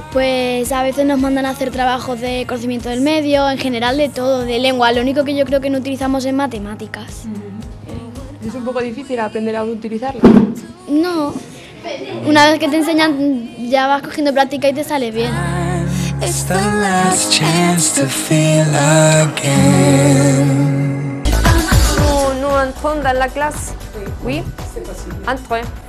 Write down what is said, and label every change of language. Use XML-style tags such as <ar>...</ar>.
<es>Pues a veces nos mandan a hacer trabajos de conocimiento del medio, en general de todo, de lengua. Lo único que yo creo que no utilizamos es matemáticas. ¿Es un poco difícil aprender a utilizarlo? No, una vez que te enseñan ya vas cogiendo práctica y te sale bien.</es> <en>It's the last chance to feel again.</en> <fr>Nous entrons dans la classe. Oui, entrez.</fr>